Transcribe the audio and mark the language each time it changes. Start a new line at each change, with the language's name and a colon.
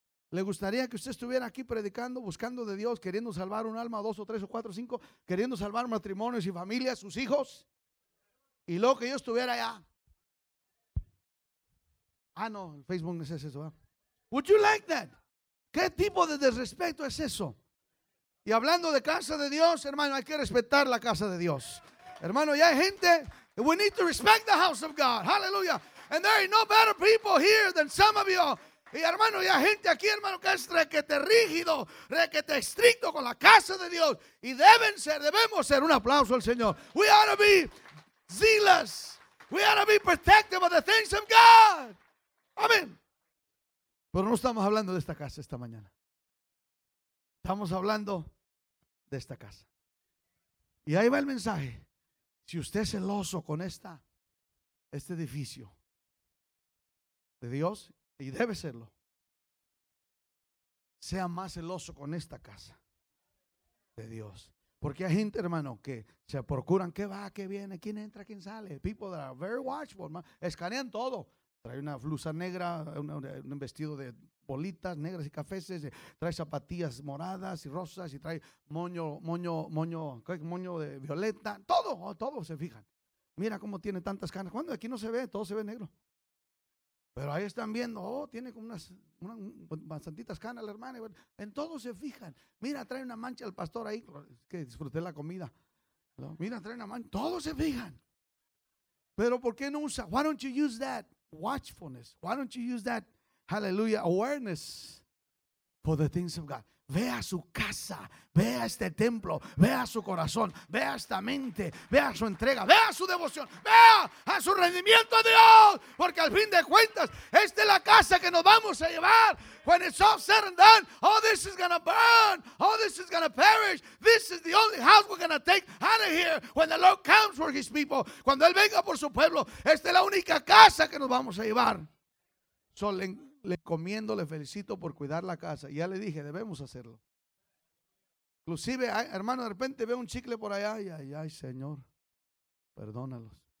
Spanish: ¿Le gustaría que usted estuviera aquí predicando, buscando de Dios, queriendo salvar un alma, dos o tres o cuatro o cinco, queriendo salvar matrimonios y familias, sus hijos? Y luego que yo estuviera allá. Ah, no, Facebook no es eso. ¿Eh?
English: Would you like that?
Spanish: ¿Qué tipo de desrespeto es eso? Y hablando de casa de Dios, hermano, hay que respetar la casa de Dios. Hermano, ya hay gente.
English: We need to respect the house of God. Hallelujah. And there are no better people here than some of you.
Spanish: Y hermano, ya hay gente aquí, hermano, que es requete rígido, requete estricto con la casa de Dios. Y deben ser, debemos ser. Un aplauso al Señor.
English: We ought to be zealous. We ought to be protective of the things of God.
Spanish: Amén. Pero no estamos hablando de esta casa esta mañana. Estamos hablando de esta casa. Y ahí va el mensaje. Si usted es celoso con esta, este edificio de Dios, y debe serlo, sea más celoso con esta casa de Dios. Porque hay gente, hermano, que se procuran qué va, qué viene, quién entra, quién sale.
English: People that are very watchful, man,
Spanish: escanean todo. Trae una blusa negra, un vestido de bolitas negras y cafeses, trae zapatillas moradas y rosas, y trae moño de violeta, todo se fijan. Mira cómo tiene tantas canas. ¿Cuándo aquí no se ve? Todo se ve negro. Pero ahí están viendo, oh, tiene como unas bastantitas canas la hermana. En todo se fijan. Mira, trae una mancha al pastor ahí, que disfruté la comida. Mira, trae una mancha. Todos se fijan. Pero ¿por qué no usa?
English: Why don't you use that watchfulness? Why don't you use that, hallelujah, awareness for the things of God?
Spanish: Vea su casa, vea este templo, vea su corazón, vea esta mente, vea su entrega, vea su devoción, vea a su rendimiento a Dios, porque al fin de cuentas, esta es la casa que nos vamos a llevar.
English: When it's all said and done, all this is going to burn, all this is going to perish. This is the only house we're going to take out of here when the Lord comes for his people.
Spanish: Cuando Él venga por su pueblo, esta es la única casa que nos vamos a llevar. Le encomiendo, le felicito por cuidar la casa. Ya le dije, debemos hacerlo. Inclusive, hermano, de repente veo un chicle por allá. Ay, ay, ay, Señor, perdónalos.